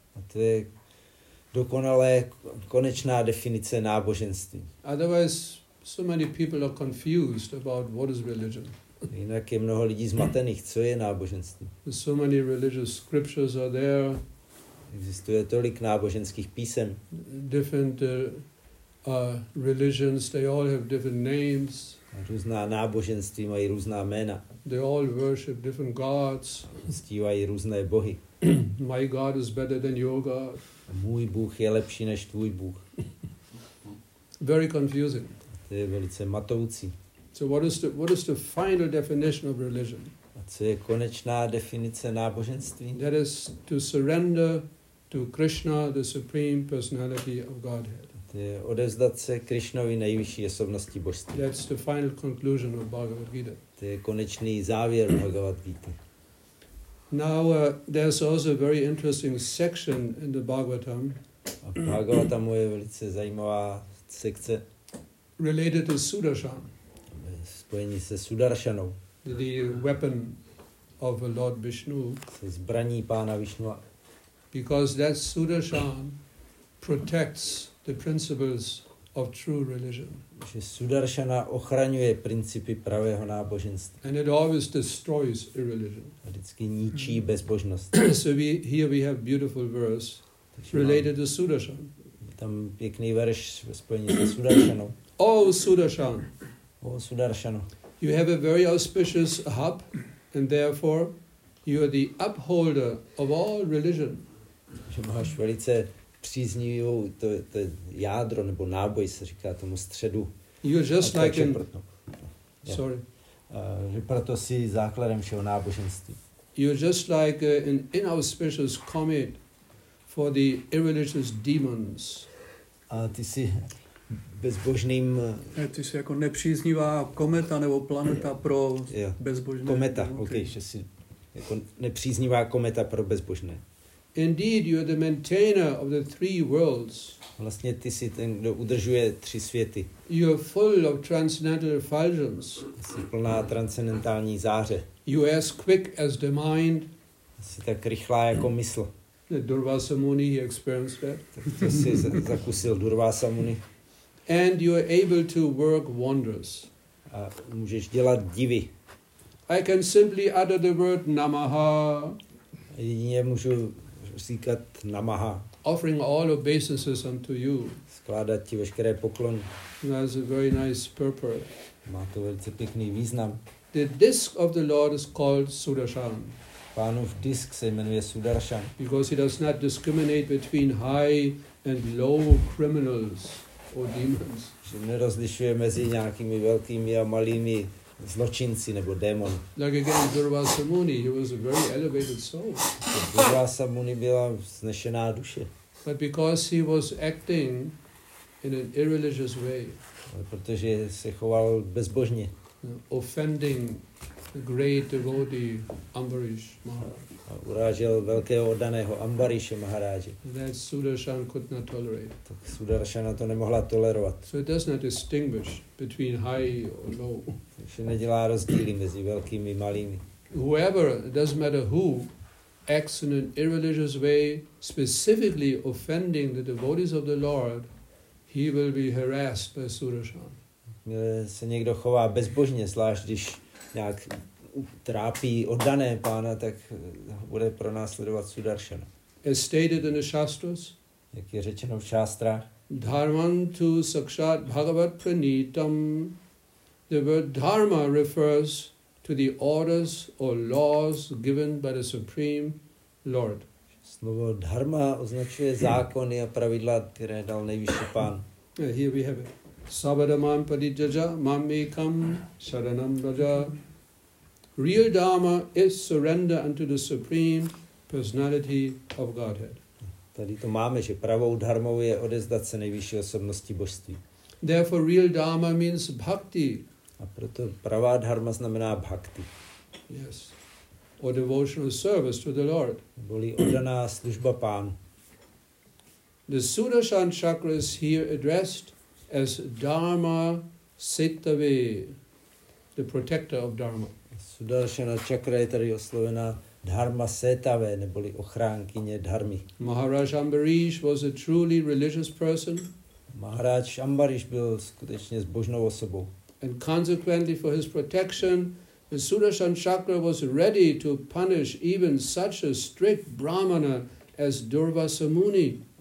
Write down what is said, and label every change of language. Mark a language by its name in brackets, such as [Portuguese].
[Czech] A to je dokonalé konečná definice náboženství. [English] Otherwise, so many people are confused about what is religion. [Czech] Jinak je mnoho lidí zmatených, co je náboženství. [English] So many religious scriptures are there. [Czech] Existuje tolik náboženských písem. [English] Different religions, they all have different names. [Czech] Různá náboženství mají různá jména. [English] They all worship different gods. [Czech] Uctívají různé bohy. [English] My God is better than your God. [Czech] Můj Bůh je lepší než tvůj Bůh. [English] Very confusing. [Czech] To je velice matoucí. [English] So what is the final definition of religion? [Czech] A co je konečná definice náboženství? [English] That is to surrender to Krishna, the supreme personality of Godhead. [Czech] odevzdat se Krišnovi nejvyšší osobnosti božství. [English] That's the final conclusion of Bhagavad Gita. [Czech] To je konečný závěr Bhagavad Gita. [English] Now there's also a very interesting section in the Bhagavatam. [Czech] A Bhagavatamu je velice zajímavá sekce. [English] Related to Sudarshan. [Czech] Spojení se Sudarshanou. [English] The weapon of Lord Vishnu. [Czech] Se zbraní pána Vishnua. [English] Because that Sudarshan protects the principles of true religion. [Czech] Že Sudarshana ochraňuje principy pravého náboženství. [English] And it always destroys irreligion. [Czech] A vždycky ničí bezbožnost. [English] So here we have beautiful verse related to Sudarshan. [Czech] Tam pěkný verš spojený se Sudarshanou. [English] Oh Sudarshan. [Czech] Oh Sudarshano. [English] You have a very auspicious hub and therefore you are the upholder of all religion. [Czech] Že máš velice příznivou, to jádro nebo náboj, se říká tomu středu. [English] You're just like in... Sorry. [Czech] Proto jsi základem všeho náboženství. [English] You're just like an inauspicious comet for the irreligious demons. [Czech] A ty jsi bezbožným... Ty jsi jako nepříznivá kometa nebo planeta pro bezbožné. Kometa, okay, že jsi jako nepříznivá kometa pro bezbožné. [English] Indeed, you are the maintainer of the three worlds. [Czech] Vlastně ty jsi ten, kdo udržuje tři světy. [English] You are full of transcendental effulgence. [Czech] Jsi plná transcendentální záře. [English] You are as quick as the mind. [Czech] Jsi tak rychlá jako mysl. [English] Durvasa Muni experienced that. [Czech] To jsi zakusil Durvasa Muni. [English] And you are able to work wonders. [Czech] A můžeš dělat divy. [English] I can simply utter the word Namaha. [Czech] Jedině můžu říkat namaha. [English] Offering all obeisances unto you. [Czech] Skládat ti veškeré poklony. [English] That is a very nice purpose. [Czech] Má to velice pěkný význam. [English] The disc of the Lord is called Sudarshan. [Czech] Pánův disk se jmenuje Sudarshan. [English] Because he does not discriminate between high and low criminals or demons. [Czech] Že nerozlišuje mezi nějakými velkými a malými zločinci nebo démon. [English] Like again, Durvasa Muni, he was a very elevated soul. [Czech] Durvasa Muni byla vznešená duše. [English] But because he was acting in an irreligious way. [Czech] Ale protože se choval bezbožně. [English] Offending the great devotee Ambarish Maharaj. [Czech] Urážel velkého oddaného Ambariše Maharaje. [English] That Sudarshan could not tolerate. [Czech] Tak Sudarshana to nemohla tolerovat. [English] So it does not distinguish between high or low. [Czech] Že nedělá rozdíly mezi velkými a malými. [English] Whoever, it doesn't matter who, acts in an irreligious way, specifically offending the devotees of the Lord, he will be harassed by Sudarshan. [Czech] Se někdo chová bezbožně, zvlášť když nějak trápí oddané pána, tak bude pronásledovat Sudarshana. [English] As stated in the Shastras, [Czech] jak je řečeno v šástrách, [Sanskrit] dharmam tu sakshat bhagavat pranitam. [English] The word dharma refers to the orders or laws given by the Supreme Lord. [Czech] Slovo dharma označuje zákony a pravidla, které dal nejvyšší pán. [English] Here we have it. [Sanskrit] Sabadamam padijaja mamekam saranam raja. [English] Real dharma is surrender unto the Supreme Personality of Godhead. [Czech] Tady to máme, že pravou dharmou je odezdat se nejvyšší osobnosti božství. [English] Therefore real dharma means bhakti. [Czech] A proto pravá dharma znamená bhakti. [English] Yes. Or devotional service to the Lord. [Czech] Boli oddaná služba pán. [English] The Sudarshan chakra is here addressed as Dharma Sittave, the protector of dharma. [Czech] Sudarshana chakra je tady oslovena Dharma Sittave, neboli ochránkyně dharmy. [English] Maharaj Ambarish was a truly religious person. [Czech] Maharaj Ambarish byl skutečně zbožnou osobou. [English] And consequently, for his protection, the Sudarshan chakra was ready to punish even such a strict brahmana as Durvasa Muni.